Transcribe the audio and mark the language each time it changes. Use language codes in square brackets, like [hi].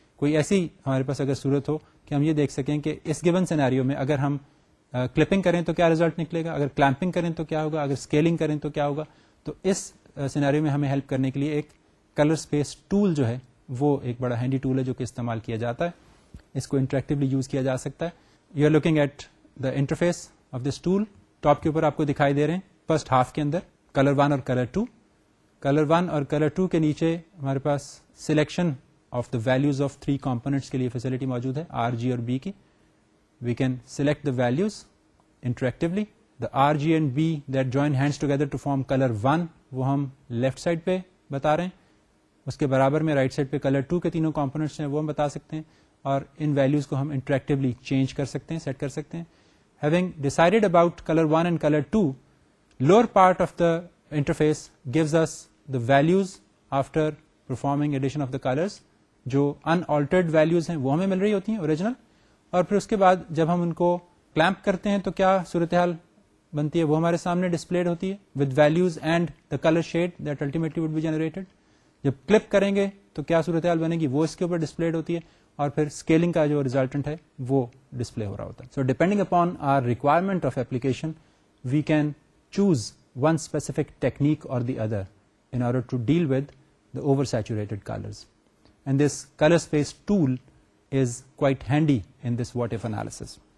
[ur] Koi aisi hamare paas agar surat ho ki hum ye dekh saken ki is given scenario mein agar hum clipping کریں تو کیا result نکلے گا, اگر clamping کریں تو کیا ہوگا, اگر اسکیلنگ کریں تو کیا ہوگا. تو اس سیناریو میں ہمیں ہیلپ کرنے کے لیے ایک کلر اسپیس ٹول جو ہے وہ ایک بڑا ہینڈی ٹول ہے جو کہ استعمال کیا جاتا ہے. اس کو انٹریکٹولی یوز کیا جا سکتا ہے. [en] You are looking at the interface of this tool. [ur] Top کے اوپر آپ کو دکھائی دے رہے ہیں فرسٹ ہاف کے اندر کلر 1 اور کلر 2. کلر 1 اور کلر 2 کے نیچے ہمارے پاس selection of the values of 3 components کے لیے فیسلٹی موجود ہے, آر جی اور بی کی. [en] We can select the values interactively. The R, G and B that join hands together to form color 1, [ur] وہ ہم left side پہ بتا رہے ہیں. اس کے برابر میں right side پہ color 2 کے تینوں components ہیں وہ ہم بتا سکتے ہیں, اور ان values کو ہم interactively change کر سکتے ہیں, set کر سکتے ہیں. [en] Having decided about color 1 and color 2, lower part of the interface gives us the values after performing addition of the colors. [ur] جو unaltered values ہیں وہ ہمیں مل رہی ہوتی ہیں original. اور پھر اس کے بعد جب ہم ان کو کلیمپ کرتے ہیں تو کیا صورتحال بنتی ہے وہ ہمارے سامنے ڈسپلیڈ ہوتی ہے [en] with values and the color shade that ultimately would be generated. [ur] جب کلپ کریں گے تو کیا صورتحال بنے گی وہ اس کے اوپر ڈسپلیڈ ہوتی ہے اور پھر اسکیلنگ کا جو ریزلٹنٹ ہے وہ ڈسپلے ہو رہا ہوتا ہے. [en] So depending upon our requirement of application we can choose one specific technique or the other in order to deal with the over saturated colours and this colour space tool is quite handy in this what if analysis.